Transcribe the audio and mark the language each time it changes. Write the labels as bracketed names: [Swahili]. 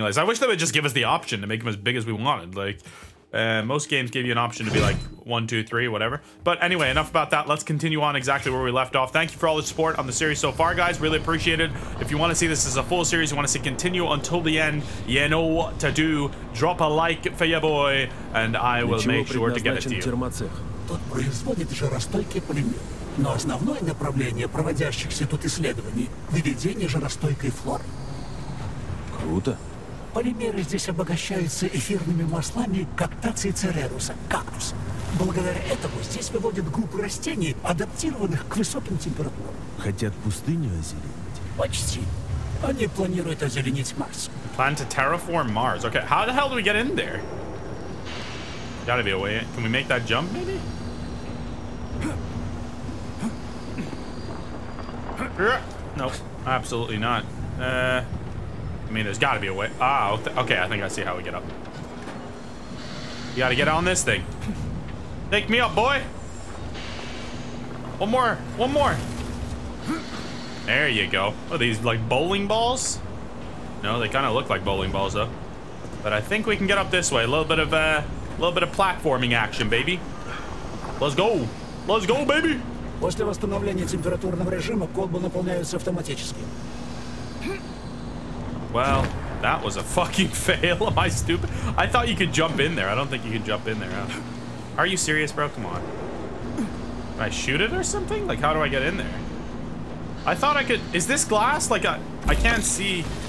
[English] Like, I wish they would just give us the option to make them as big as we wanted, like... most games give you an option to be like 1, 2, 3, whatever. But anyway, enough about that. Let's continue on exactly where we left off. Thank you for all the support on the series so far, guys. Really appreciate it. If you want to see this as a full series, you want to see continue until the end, you know what to do. Drop a like for your boy, and I will make sure to get it to you. [Russian] Тут производит же жаростойкий пулемет. Но основное направление проводящихся тут исследований – выведение жаростойкой флоры. Круто. Полимеры здесь обогащаются эфирными маслами кактации цереруса, кактус. Благодаря этому здесь выводят группы растений, адаптированных к высоким температурам. Хотят пустыню озеленить? Почти. Они планируют озеленить Марс. [English] Plan to terraform Mars. Okay, how the hell do we get in there? Gotta be a way. Can we make that jump, maybe? No, absolutely not. I mean, there's gotta be a way. Okay, I think I see how we get up. You gotta get on this thing. Take me up, boy. One more. There you go. Are these like bowling balls? No, they kind of look like bowling balls though. But I think we can get up this way. A little bit of platforming action, baby. Let's go, baby. [Russian] После восстановления температурного режима колбы наполняются автоматически. [English] Well, that was a fucking fail. Am I stupid? I thought you could jump in there. I don't think you can jump in there, huh? Are you serious, bro? Come on. Can I shoot it or something? Like, how do I get in there? I thought I could... Is this glass? Like, I can't see...